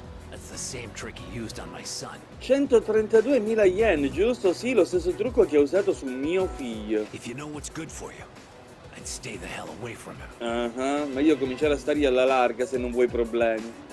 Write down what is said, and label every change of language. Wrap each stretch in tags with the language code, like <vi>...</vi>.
<en>That's the same trick he used on my son.</en> <it>132.000 yen, giusto? Sì, lo stesso trucco che ha usato su mio figlio.</it> <en>If you know what's good for you, I'd stay the hell away from him.</en> <it>Ma io comincerò a stargli alla larga se non vuoi problemi.</it>